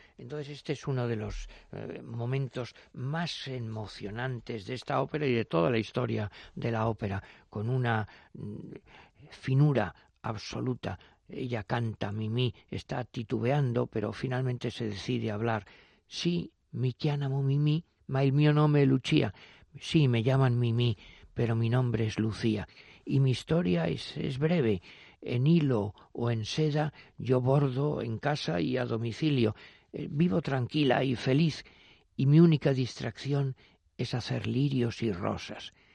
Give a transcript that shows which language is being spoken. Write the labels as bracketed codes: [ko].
[es] Entonces este es uno de los momentos más emocionantes de esta ópera y de toda la historia de la ópera, con una finura absoluta. Ella canta Mimì, está titubeando, pero finalmente se decide a hablar. [it] Sí, mi chiamo Mimì, ma il mio nome è Lucia. [es] Sí, me llaman Mimì, pero mi nombre es Lucía, y mi historia es breve. En hilo o en seda, yo bordo en casa y a domicilio. Vivo tranquila y feliz, y mi única distracción es hacer lirios y rosas.